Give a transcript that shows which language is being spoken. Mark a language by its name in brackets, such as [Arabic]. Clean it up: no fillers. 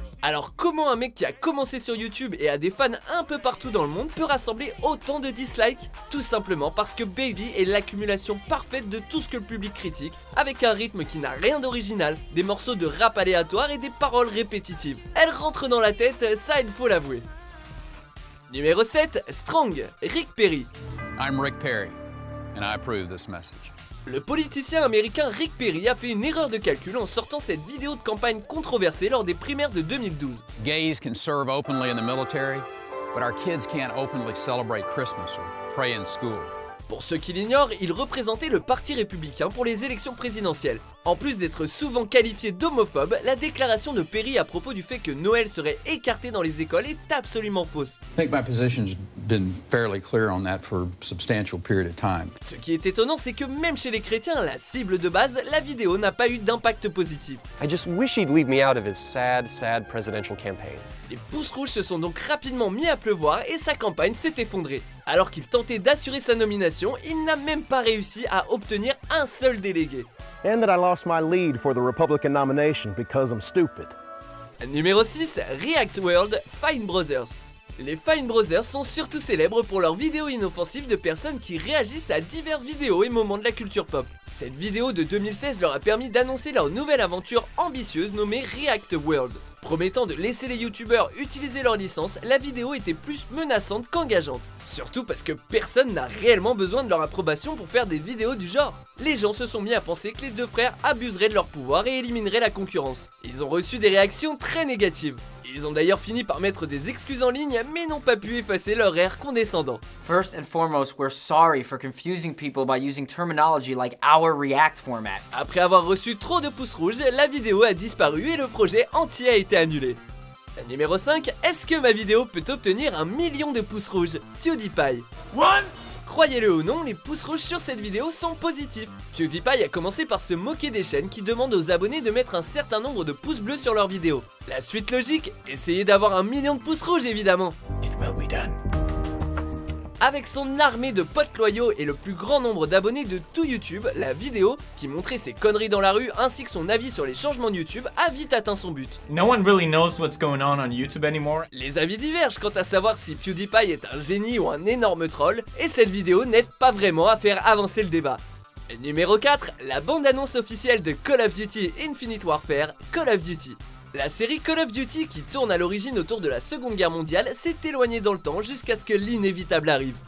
[French] Alors comment un mec qui a commencé sur YouTube et a des fans un peu partout dans le monde peut rassembler autant de dislikes? Tout simplement parce que Baby est l'accumulation parfaite de tout ce que le public critique, avec un rythme qui n'a rien d'original, des morceaux de rap aléatoires et des paroles répétitives. Elle rentre dans la tête, ça il faut l'avouer. Numéro 7, Strong, Rick Perry. [English] I'm Rick Perry, and I approve this message. [French] Le politicien américain Rick Perry a fait une erreur de calcul en sortant cette vidéo de campagne controversée lors des primaires de 2012. [English] Gays can serve openly in the military, but our kids can't openly celebrate Christmas or pray in school. [French] Pour ceux qui l'ignorent, il représentait le parti républicain pour les élections présidentielles. En plus d'être souvent qualifié d'homophobe, la déclaration de Perry à propos du fait que Noël serait écarté dans les écoles est absolument fausse. [English] I think my position's been fairly clear on that for a substantial period of time. [French] Ce qui est étonnant, c'est que même chez les chrétiens, la cible de base, la vidéo n'a pas eu d'impact positif. [English] I just wish he'd leave me out of his sad, sad presidential campaign. [French] Les pouces rouges se sont donc rapidement mis à pleuvoir et sa campagne s'est effondrée. Alors qu'il tentait d'assurer sa nomination, il n'a même pas réussi à obtenir un seul délégué. [English] And that I lost my lead for the Republican nomination because I'm stupid. [French] Numéro 6, React World, Fine Brothers. Les Fine Brothers sont surtout célèbres pour leurs vidéos inoffensives de personnes qui réagissent à divers vidéos et moments de la culture pop. Cette vidéo de 2016 leur a permis d'annoncer leur nouvelle aventure ambitieuse nommée React World. Promettant de laisser les youtubeurs utiliser leur licence, la vidéo était plus menaçante qu'engageante. Surtout parce que personne n'a réellement besoin de leur approbation pour faire des vidéos du genre. Les gens se sont mis à penser que les deux frères abuseraient de leur pouvoir et élimineraient la concurrence. Ils ont reçu des réactions très négatives. Ils ont d'ailleurs fini par mettre des excuses en ligne, mais n'ont pas pu effacer leur air condescendant. [English] First and foremost, we're sorry for confusing people by using terminology like our React format. [French] Après avoir reçu trop de pouces rouges, la vidéo a disparu et le projet entier a été annulé. Numéro 5, est-ce que ma vidéo peut obtenir 1 million de pouces rouges? PewDiePie. One. Croyez-le ou non, les pouces rouges sur cette vidéo sont positifs. PewDiePie a commencé par se moquer des chaînes qui demandent aux abonnés de mettre un certain nombre de pouces bleus sur leurs vidéos. La suite logique, essayez d'avoir 1 million de pouces rouges évidemment. [English] It will be done. [French] Avec son armée de potes loyaux et le plus grand nombre d'abonnés de tout YouTube, la vidéo, qui montrait ses conneries dans la rue ainsi que son avis sur les changements de YouTube, a vite atteint son but. [English] No one really knows what's going on YouTube anymore. [French] Les avis divergent quant à savoir si PewDiePie est un génie ou un énorme troll, et cette vidéo n'aide pas vraiment à faire avancer le débat. Numéro 4, la bande-annonce officielle de Call of Duty Infinite Warfare, Call of Duty. La série Call of Duty, qui tourne à l'origine autour de la Seconde Guerre mondiale, s'est éloignée dans le temps jusqu'à ce que l'inévitable arrive.